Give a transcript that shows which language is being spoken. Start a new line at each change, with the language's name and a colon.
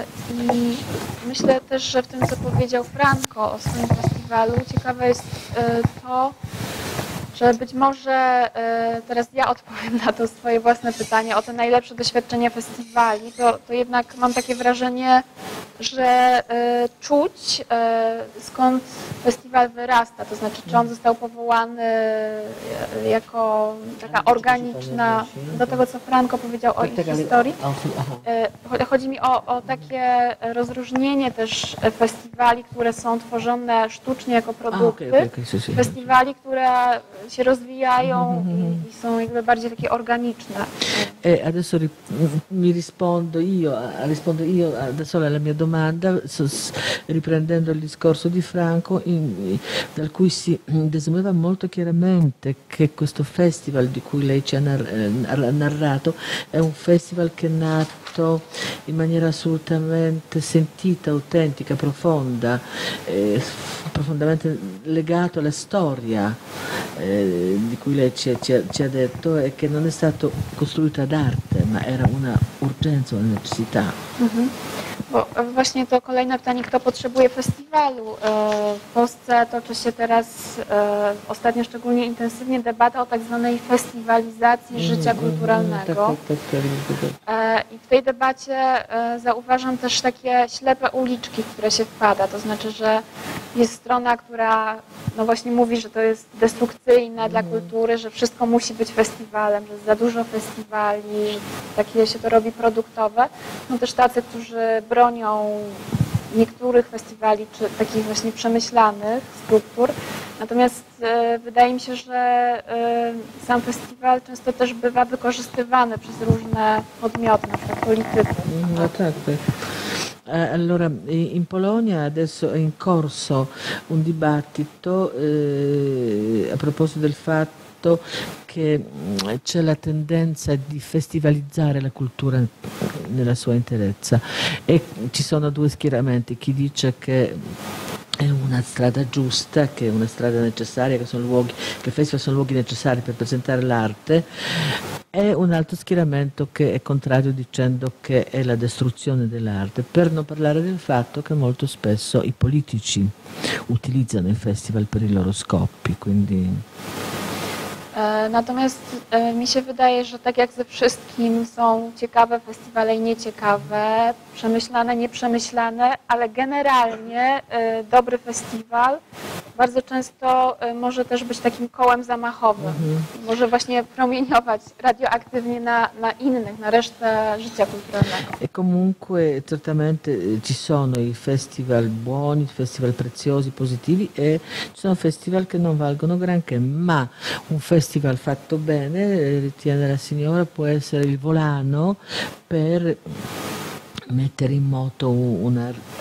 Polish: I myślę też, że w tym, co powiedział Franco o swoim festiwalu, ciekawe jest to, że być może teraz ja odpowiem na to swoje własne pytanie o te najlepsze doświadczenia festiwali, to jednak mam takie wrażenie, że czuć skąd festiwal wyrasta, to znaczy czy on został powołany jako taka organiczna, do tego co Franco powiedział o ich historii. Chodzi mi o takie rozróżnienie też festiwali, które są tworzone sztucznie jako produkty, festiwali, które się rozwijają i są jakby bardziej takie organiczne.
Italian: Adesso mi rispondo io da sola alla mia domanda, riprendendo il discorso di Franco, dal cui si desumeva molto chiaramente che questo festival di cui lei ci ha narrato è un festival che è nato in maniera assolutamente sentita, autentica, profonda, profondamente legato alla storia di cui lei ci ha detto, e che non è stato costruito ad arte, ma era una urgenza, una necessità.
Polish: Bo właśnie to kolejne pytanie, kto potrzebuje festiwalu? W Polsce toczy się teraz ostatnio szczególnie intensywnie debata o tak zwanej festiwalizacji życia kulturalnego. I w tej debacie zauważam też takie ślepe uliczki, w które się wpada. To znaczy, że jest strona, która no właśnie mówi, że to jest destrukcyjne dla kultury, że wszystko musi być festiwalem, że jest za dużo festiwali, że takie się to robi produktowe. No też tacy, którzy bronią niektórych festiwali, czy takich właśnie przemyślanych struktur. Natomiast wydaje mi się, że sam festiwal często też bywa wykorzystywany przez różne podmioty, na przykład politycy. No tak, tak.
Italian: Allora, in Polonia adesso è in corso un dibattito a proposito del fatto che c'è la tendenza di festivalizzare la cultura nella sua interezza, e ci sono due schieramenti, chi dice che è una strada giusta, che è una strada necessaria, che i festival sono luoghi necessari per presentare l'arte, e un altro schieramento che è contrario, dicendo che è la distruzione dell'arte, per non parlare del fatto che molto spesso i politici utilizzano i festival per i loro scopi, quindi...
Polish: Natomiast mi się wydaje, że tak jak ze wszystkim są ciekawe festiwale i nieciekawe, przemyślane, nieprzemyślane, ale generalnie dobry festiwal bardzo często może też być takim kołem zamachowym. Może właśnie promieniować radioaktywnie na innych, na resztę życia kulturalnego.
Italian: E comunque certamente ci sono i festival buoni, festival preziosi, positivi, e ci sono festival che non valgono granché, ma un festival fatto bene, ritiene la signora, può essere il volano per mettere in moto una